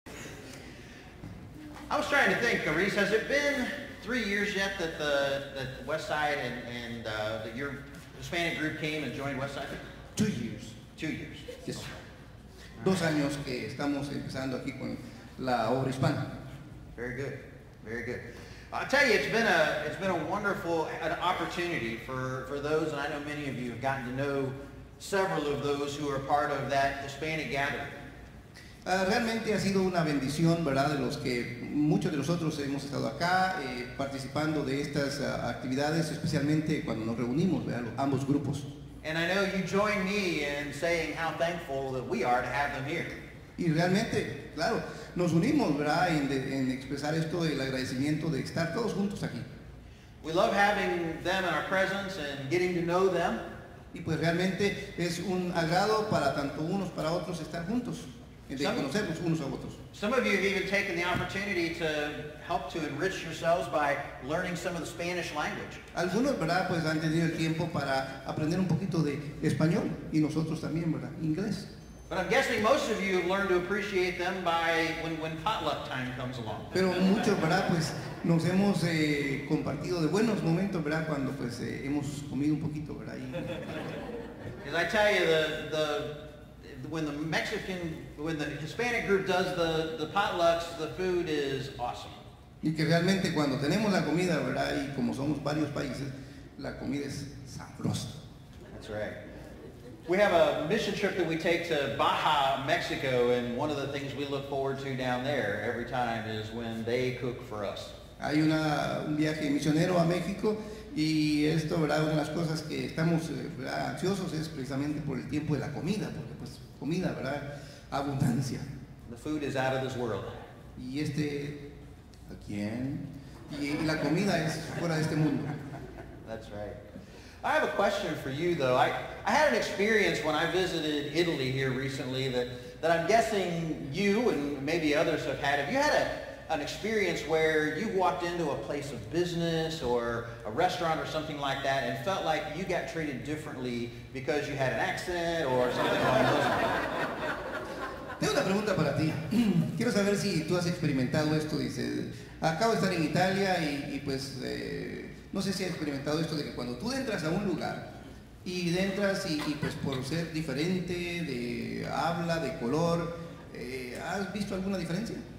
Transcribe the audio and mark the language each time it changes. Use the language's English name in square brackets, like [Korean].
[English] I was trying to think, Reese, has it been 3 years yet that the West Side and your Hispanic group came and joined West Side? 2 years. 2 years. Yes. Okay. [Spanish] Dos años que estamos empezando aquí con la obra hispana. [English] Very good. Very good. I'll tell you, it's been a wonderful an opportunity for those, and I know many of you have gotten to know several of those who are part of that Hispanic gathering. [Spanish] Realmente ha sido una bendición, ¿verdad?, de los que muchos de nosotros hemos estado acá participando de estas actividades, especialmente cuando nos reunimos, ¿verdad?, ambos grupos. [English] And I know you join me in saying how thankful that we are to have them here. [Spanish] Y realmente, claro, nos unimos, ¿verdad?, en expresar esto del agradecimiento de estar todos juntos aquí. [English] We love having them in our presence and getting to know them. [Spanish] Y pues realmente es un agrado para tanto unos para otros estar juntos, de conocernos unos a otros. [English] Some of you have even taken the opportunity to help to enrich yourselves by learning some of the Spanish language. [Spanish] Algunos, ¿verdad?, pues han tenido el tiempo para aprender un poquito de español, y nosotros también, ¿verdad?, inglés. [English] But I'm guessing most of you have learned to appreciate them by when potluck time comes along. [Spanish] Pero muchos, ¿verdad?, pues nos hemos compartido de buenos momentos, ¿verdad?, cuando pues hemos comido un poquito, ¿verdad? [English] As I tell you, when the Hispanic group does the potlucks, the food is awesome. [Spanish] Y que realmente cuando tenemos la comida, ¿verdad?, y como somos varios países, la comida es sabrosa. [English] That's right. We have a mission trip that we take to Baja, Mexico, and one of the things we look forward to down there every time is when they cook for us. [Spanish] Hay un viaje misionero a México, y esto, ¿verdad?, una de las cosas que estamos ansiosos es precisamente por el tiempo de la comida, porque pues comida, ¿verdad?, abundancia. [English] The food is out of this world. [Spanish] Y este, ¿a quién? Y la comida es fuera de este mundo. [English] That's right. I have a question for you, though. I had an experience when I visited Italy here recently that I'm guessing you and maybe others have had. Have you had an experience where you walked into a place of business or a restaurant or something like that and felt like you got treated differently because you had an accent or something like that? [Spanish] Tengo una pregunta para ti. Quiero saber si tú has experimentado esto. Dices, acabo de estar en Italia y pues... No sé si has experimentado esto de que cuando tú entras a un lugar y entras y pues por ser diferente, de habla, de color, ¿has visto alguna diferencia?